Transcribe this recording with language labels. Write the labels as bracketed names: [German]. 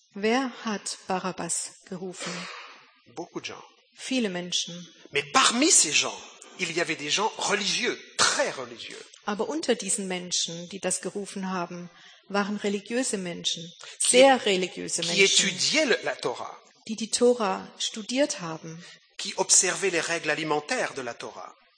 [German] Wer hat Barabbas gerufen? [French] Beaucoup de gens. [German] Viele Menschen. [French] Mais parmi ces gens, il y avait des gens religieux, très religieux. [German] Aber unter diesen Menschen, die das gerufen haben, waren religiöse Menschen, sehr religiöse Menschen. [French] Qui étudiaient la Torah? [German] Die Torah studiert haben. [French] Qui observaient les règles alimentaires de la Torah?